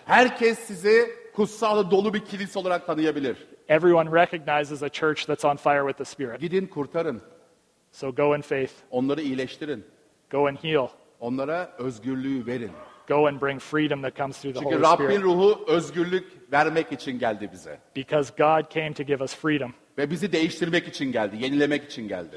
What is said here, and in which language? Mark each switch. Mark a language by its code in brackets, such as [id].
[tr] Herkes sizi kutsalı dolu bir kilise olarak tanıyabilir. [en] Everyone recognizes a church that's on fire with the Spirit. [tr] Gidin kurtarın. [en] So go in faith. [tr] Onları iyileştirin. [en] Go and heal. [tr] Onlara özgürlüğü verin. [en] Go and bring freedom that comes through the [tr] Çünkü [en] Holy [tr] Rabbin [en] Spirit. [tr] Çünkü Rabbin ruhu özgürlük vermek için geldi bize. [en] Because God came to give us freedom. [tr] Ve bizi değiştirmek için geldi, yenilemek için geldi.